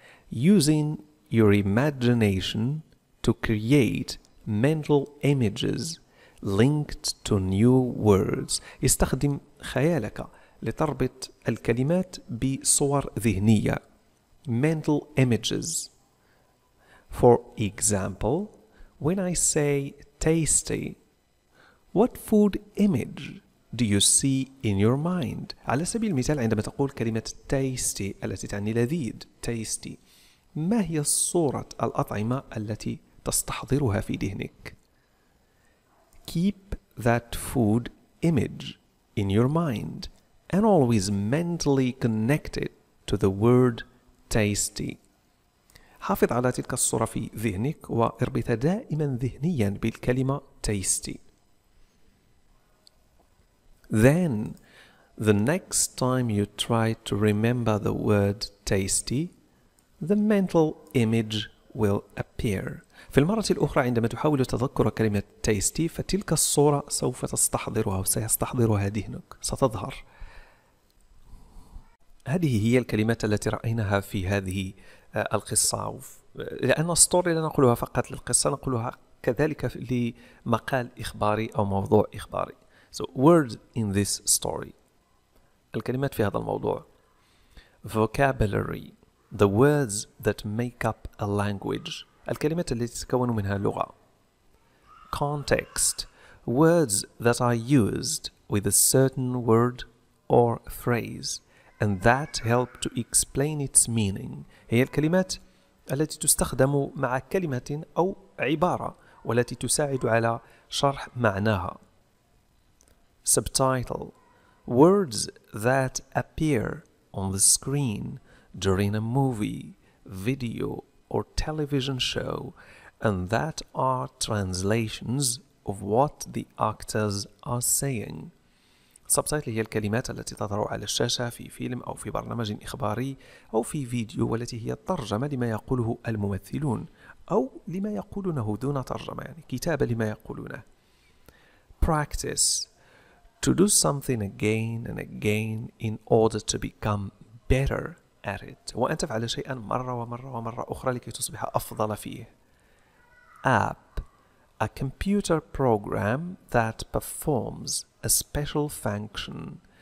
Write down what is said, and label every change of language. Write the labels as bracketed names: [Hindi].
[English] Using your imagination to create mental images linked to new words. [Arabic] استخدم خيالك لتربط الكلمات بصور ذهنية. [English] Mental images. For example, when I say tasty, what food image do you see in your mind? [Arabic] على سبيل المثال عندما تقول كلمة tasty التي تعني لذيذ tasty ما هي صورة الأطعمة التي تستحضرها في ذهنك؟ [English] Keep that food image in your mind and always mentally connect it to the word tasty. [Arabic] حافظ على تلك الصورة في ذهنك واربطها دائما ذهنيا بالكلمة tasty. [English] Then, the next time you try to remember the word tasty, the mental image will appear. [Arabic] في المرة الأخرى عندما تحاول تذكر كلمة tasty فتلك الصورة سوف تستحضرها وسيستحضرها ذهنك ستظهر. هذه هي الكلمات التي رأيناها في هذه القصة، لأن الستوري لا نقولها فقط للقصة، نقولها كذلك لمقال إخباري أو موضوع إخباري. [English] So words in this story. [Arabic] الكلمات في هذا الموضوع. [English] Vocabulary. The words that make up a language. [Arabic] الكلمات التي تتكون منها لغة. [English] Context. Words that are used with a certain word or phrase and that help to explain its meaning. [Arabic] هي الكلمات التي تستخدم مع كلمة أو عبارة والتي تساعد على شرح معناها. [English] Subtitle. Words that appear on the screen during a movie, video, or television show and that are translations of what the actors are saying. [Arabic] Subtitle هي الكلمات التي تظهر على الشاشة في فيلم أو في برنامج إخباري أو في فيديو والتي هي الترجمة لما يقوله الممثلون أو لما يقولونه دون ترجمة، يعني كتابة لما يقولونه. [English] Practice. To do something again and again in order to become better at it. [Arabic] وأن تفعل شيئا مرة ومرة ومرة أخرى لكي تصبح أفضل فيه. [English] App. A computer program that performs a special function.